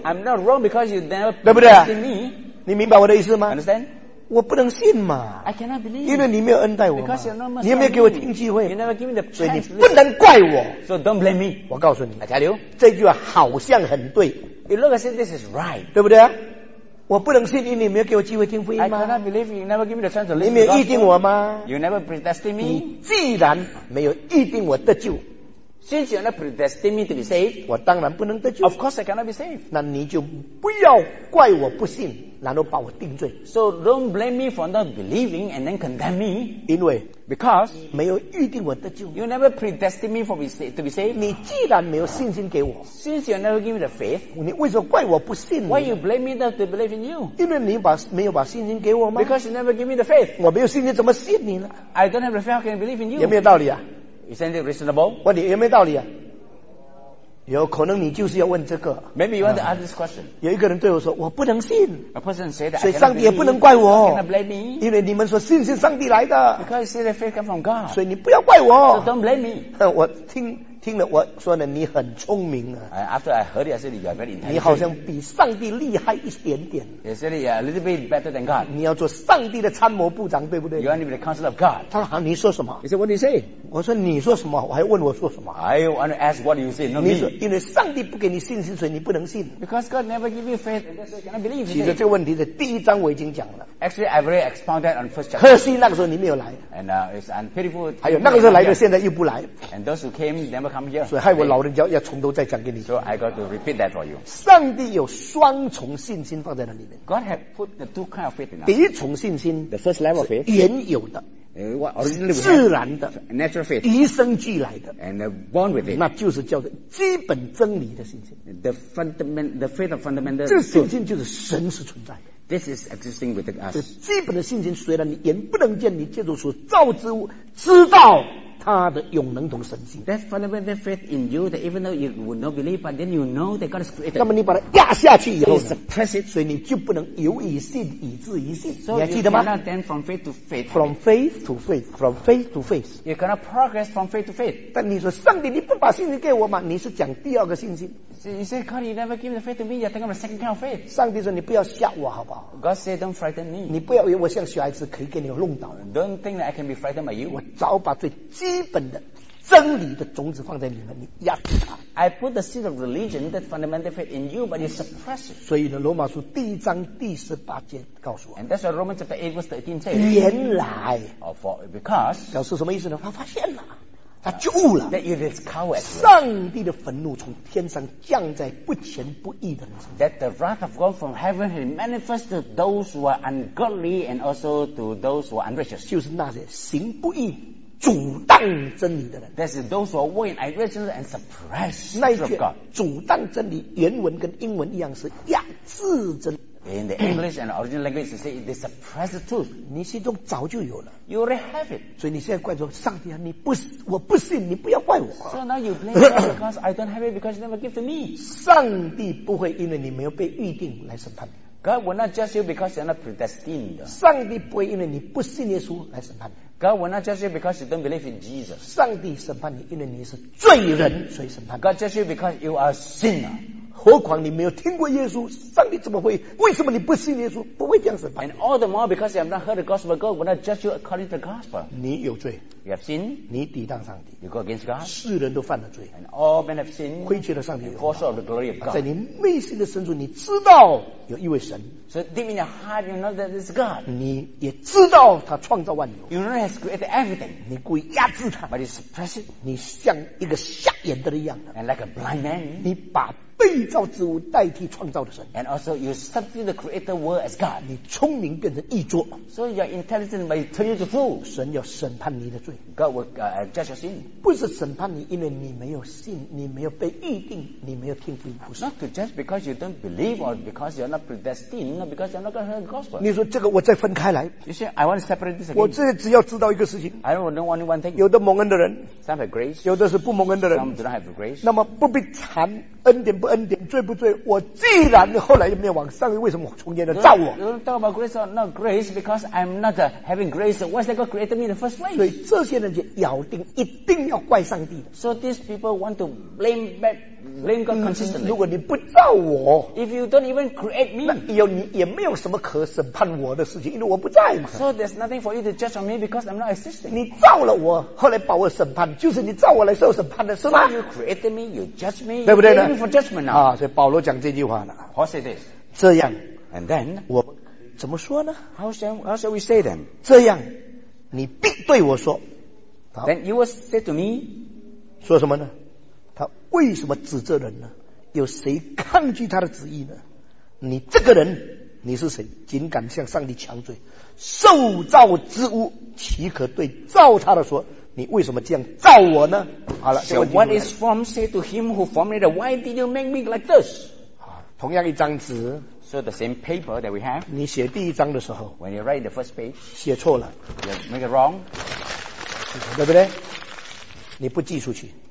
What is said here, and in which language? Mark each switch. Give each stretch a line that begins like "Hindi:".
English: I'm not wrong because you never.
Chinese: 对不对？你明白我的意思吗
English: ？Understand？
Chinese: 我不能信嘛。
English: I cannot believe.
Chinese: 因为你没有恩待我
English: 嘛。Because
Chinese: 你有没有给我听机会
English: ？You never give me the chance.
Chinese: 所以你不能怪我。
English: So don't blame me.
Chinese: 我告诉你
English: ，I tell you，
Chinese: 这句话好像很对。
English: You look as if this is right，
Chinese: 对不对？我不能信，因为你没有给我机会听福音吗
English: ？I cannot believe you never give me the chance to listen.
Chinese: 你没有预定我吗
English: ？You never predestined me.
Chinese: 你既然没有预定我得救。
English: Since you're not predestined me to be saved,
Chinese: 我当然不能得救。
English: Of course, I cannot be saved.
Chinese: 那你就不要怪我不信，然后把我定罪。
English: So don't blame me for not believing and then condemn me.
Chinese: 因为
English: because
Chinese: 没有预定我得救。
English: You never predestined me to be saved.
Chinese: 你既然没有信心给我
English: ，Since you never give me the faith,
Chinese: 你为什么怪我不信
English: ？Why you blame me not to believe in you?
Chinese: 因为你把没有把信心给我吗
English: ？Because you never give me the faith.
Chinese: 我没有信心怎么信你呢
English: ？I don't have the faith. How can I believe in you?
Chinese: 有没有道理啊？
English: Isn't it reasonable?
Chinese: 问你有没有道理啊？有可能你就是要问这个。
English: Maybe you want to ask this question.
Chinese: 有一个人对我说：“我不能信。
English: ”A person said that.
Chinese: 所以上帝也不能怪我。
English: Cannot blame me.
Chinese: 因为你们说信是上帝来的。
English: Because you say that faith comes from God.
Chinese: 所以你不要怪我。
English: So don't blame me.
Chinese: 我听了我说呢，你很聪明啊。
English: After I heard it, I said you are very intelligent.
Chinese: 你好像比上帝厉害一点点。
English: You said you are a little bit better than God.
Chinese: 你要做上帝的参谋部长，对不对
English: ？You want to be the counsel of God.
Chinese: 他说：“好，你说什么
English: ？”He said, "What do you say?"
Chinese: 我说：“你说什么？我还问我说什么
English: ？”I want to ask what you say, not me.
Chinese: 你说，因为上帝不给你信心，所以你不能信。
English: Because God never give you faith, and that's why you cannot believe.
Chinese: 其实这个问题的第一章我已经讲了。
English: Actually, I've already expounded on first chapter.
Chinese: 可惜那个时候你没有来。
English: And it's unpitiful.
Chinese: 还有那个时候来的，现在又不来。
English: And those who came never.
Chinese: 所以害我老人家要从头再讲给你。
English: So I got to repeat that for you.
Chinese: 上帝有双重信心放在那里面。
English: God have put the two kind of faith in us.
Chinese: 第一重信心
English: ，the first level of faith，
Chinese: 原有的
English: ，what originally was，
Chinese: 自然的
English: ，natural faith，
Chinese: 与生俱来的
English: ，and born with it，
Chinese: 那就是叫做基本真理的信心。
English: The fundamental， the faith of fundamental，
Chinese: 这信心就是神是存在的。
English: This is existing with us.
Chinese: 这基本的信心，虽然你眼不能见，你借助所造之物知道。他的永能同神性。
English: That fundamental faith in you that even though you would not believe, but then you know that God is creator.
Chinese: 那么你把它压下去以后
English: suppress it,
Chinese: 所以你就不能由以信以至以信。
English: So、
Chinese: 你还记得吗
English: ？You cannot then from faith to faith. From faith to faith. From faith to faith. You cannot progress from faith to faith.
Chinese: 但你说上帝，你不把信心给我吗？你是讲第二个信心。
English: So、you say, God, you never give the faith to me. You're talking about the second kind of faith.
Chinese: 上帝说你不要吓我好不好
English: ？God said, don't frighten me.
Chinese: 你不要以为我像小孩子可以给你弄倒。
English: Don't think that I can be frightened by you.
Chinese: 我早把最基本的真理的种子放在里面，你压制它。
English: I put the seed of religion, that fundamental faith in you, but you suppress it.
Chinese: 所以呢，罗马书第一章第十八节告诉我。
English: And that's what Romans chapter 8 verse 13 says.
Chinese: 原来
English: ，or for because
Chinese: 表示什么意思呢？他发现了。他就悟了
English: that you discovered
Chinese: 上帝的愤怒从天上降在不前不义的人
English: that the wrath of God from heaven had manifested those who are ungodly and also to those who are unrighteous
Chinese: 就是那些行不义阻挡真理的人
English: that's those who are walking unrighteous and suppress
Chinese: 那一句阻挡真理原文跟英文一样是压制真理
English: In the English and original language, they say they suppress the truth.
Chinese: 你心中早就有了
English: You already have it.
Chinese: 所以你现在怪说上帝啊，你不，我不信，你不要怪我。
English: So now you blame God because I don't have it because you never give to me.
Chinese: 上帝不会因为你没有被预定来审判你。
English: God will not judge you because you're not predestined.
Chinese: 上帝不会因为你不信耶稣来审判你。
English: God will not judge you because you don't believe in Jesus.
Chinese: 上帝审判你，因为你是罪人，所以审判。
English: God judge you because you are sinner.
Chinese: 何况你没有听过耶稣，上帝怎么会？为什么你不信耶稣？不会这样审判。
English: And all the more because you have not heard the gospel, God will not judge you according to the gospel.
Chinese: 你有罪。
English: You have sinned.
Chinese: 你抵挡上帝。
English: You go against God.
Chinese: 世人都犯了罪。
English: And all men have sinned.
Chinese: 亏缺了上帝。
English: And fall short of the glory of God.
Chinese: 在你内心的深处，你知道有一位神。
English: So deep in your heart, you know that it's God.
Chinese: 你也知道他创造万有。
English: You know he has created everything.
Chinese: 你故意压制他。
English: But you suppress it.
Chinese: 你像一个瞎眼的一样的。
English: And like a blind man.
Chinese: 你把被造之物代替创造的神。
English: And also you substitute the creator world as God.
Chinese: 你聪明变成异作。
English: So your intelligence may turn you to fool.
Chinese: 神要审判你的罪。
English: God will judge your sin.
Chinese: 不是审判你，因为你没有信，你没有被预定，你没有听福音。
English: Not to judge because you don't believe or because you're not predestined, or because you're not going to hear the gospel.
Chinese: 你说这个我再分开来。
English: You say I want to separate this again.
Chinese: 我这只要知道一个事情。
English: I don't know only one thing.
Chinese: 有的蒙恩的人。
English: Some have grace.
Chinese: 有的是不蒙恩的人。
English: Some do not have grace.
Chinese: 那么不必谈恩典不恩典，罪不罪？我既然后来又没有往上，为什么从前的造我
English: ？Don't talk about grace or not grace because I'm not having grace. Why did God create me in the first place?
Chinese: 所以这些人就咬定一定要怪上帝。
English: So these people want to blame back, blame God consistently.
Chinese: 如果你不造我
English: ，If you don't even create me,
Chinese: 那有你也没有什么可审判我的事情，因为我不在嘛。
English: So there's nothing for you to judge on me because I'm not existing.
Chinese: 你造了我，后来把我审判，就是你造我来受审判的是吗
English: ？So you created me, you judge me,
Chinese: 对不对呢？
English: For judgment now.
Chinese: 啊，所以保罗讲这句话呢。
English: How say this?
Chinese: 这样
English: ，and then
Chinese: 我怎么说呢
English: ？How shall we say then?
Chinese: 这样，你必对我说。
English: Then you will say to me.
Chinese: 说什么呢？他为什么指责人呢？有谁抗拒他的旨意呢？你这个人，你是谁？竟敢向上帝强嘴？受造之物岂可对造他的说？你为什么这样造我呢？好了
English: ，So what is form say to him who formed it? Why did you make me like this?
Chinese: 同样一张纸
English: ，So the same paper that we have.
Chinese: 你写第一张的时候
English: ，When you write the first page,
Chinese: 写错了
English: ，You make it wrong,
Chinese: 对不对？你不寄出去